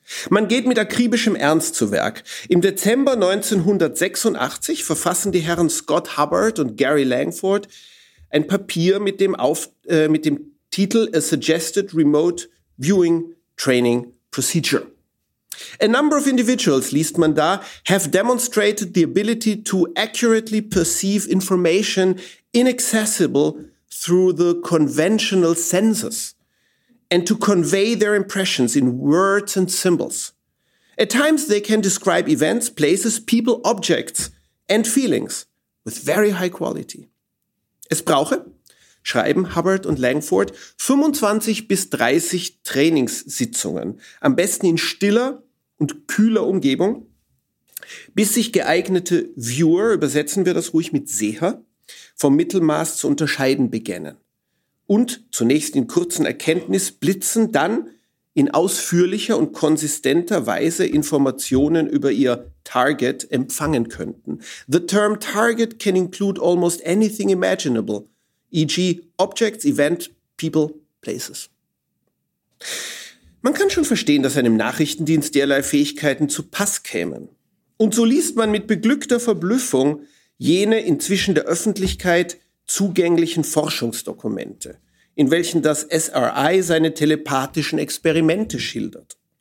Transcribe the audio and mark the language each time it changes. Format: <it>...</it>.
<de>Man geht mit akribischem Ernst zu Werk. Im Dezember 1986 verfassen die Herren Scott Hubbard und Gary Langford ein Papier mit dem Titel »</de> <en>A Suggested Remote Viewing Training Procedure«. A number of individuals,</en> <de>liest man da,</de> <en>have demonstrated the ability to accurately perceive information inaccessible through the conventional senses and to convey their impressions in words and symbols. At times they can describe events, places, people, objects and feelings with very high quality.</en> <de>Es brauche, schreiben Hubbard und Langford, 25 bis 30 Trainingssitzungen, am besten in stiller und kühler Umgebung, bis sich geeignete Viewer, übersetzen wir das ruhig mit Seher, vom Mittelmaß zu unterscheiden beginnen. Und zunächst in kurzen Erkenntnisblitzen, dann in ausführlicher und konsistenter Weise Informationen über ihr Target empfangen könnten.</de> <en>The term target can include almost anything imaginable, e.g. objects, event, people, places.</en> <de>Man kann schon verstehen, dass einem Nachrichtendienst derlei Fähigkeiten zu Pass kämen. Und so liest man mit beglückter Verblüffung jene inzwischen der Öffentlichkeit zugänglichen Forschungsdokumente, in welchen das SRI seine telepathischen Experimente schildert.</de>